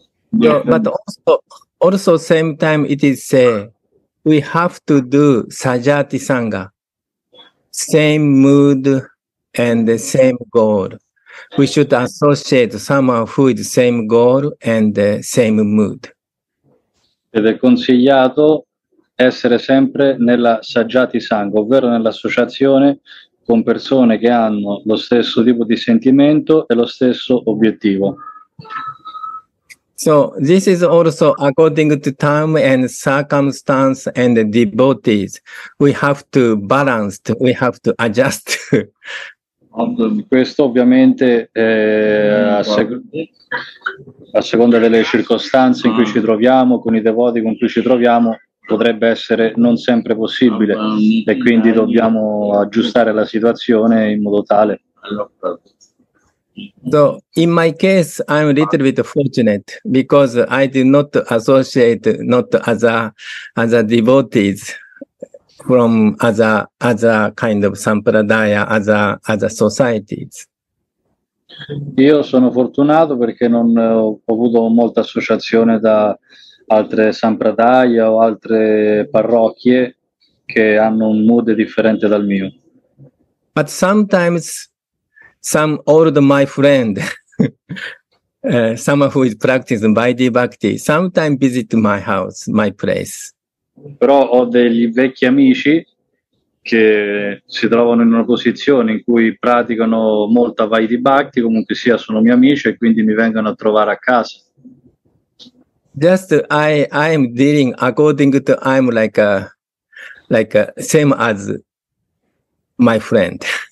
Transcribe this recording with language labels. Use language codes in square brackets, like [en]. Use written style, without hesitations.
[en] No, but also same time it is say we have to do Sajati Sangha, same mood and the same goal. We should associate someone who is the same goal and the same mood. [it] Ed è consigliato essere sempre nella Sajjati Sangha, ovvero nell'associazione con persone che hanno lo stesso tipo di sentimento e lo stesso obiettivo. [en] So this is also according to time and circumstance and the devotees. We have to balance, we have to adjust. [it] Questo ovviamente a seconda delle circostanze in cui ci troviamo, con i devoti con cui ci troviamo, potrebbe essere non sempre possibile, e quindi dobbiamo aggiustare la situazione in modo tale. [en] So in my case I'm a little bit fortunate because I did not associate not as a devotees from as a kind of sampradaya, as a societies. [it] Io sono fortunato perché non ho avuto molta associazione da altre sampradaya o altre parrocchie che hanno un mood differente dal mio. [en] But sometimes some old my friend, someone who is practicing Vaidhi Bhakti, sometimes visit my house, my place. [it] Però ho degli vecchi amici che si trovano in una posizione in cui praticano molta Vaidhi Bhakti, comunque sia sono miei amici e quindi mi vengono a trovare a casa. [en] Just I am dealing according to I'm like a same as my friend.